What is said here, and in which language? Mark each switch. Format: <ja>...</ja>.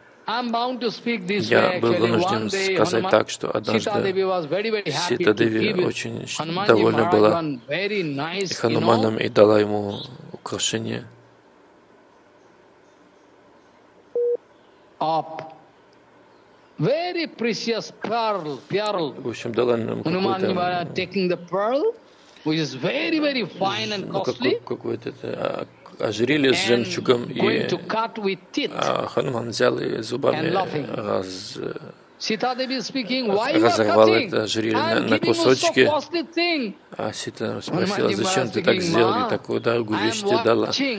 <ru>Я был вынужден сказать так, что однажды Сита Деви очень довольна была Хануманом и дала ему украшение.</ru> <en>Very precious pearl.</en> <ru>В общем, дала нам какой-то</ru> <en>taking the pearl, which is very, very fine and costly.</en> <ru>Какой-то ожерелье с жемчугом и Хануман взял и зубами разорвал это ожерелье на кусочки. А Сита спросила: «Зачем ты так сделал? И такую дорогую вещь тебе дала?»</ru>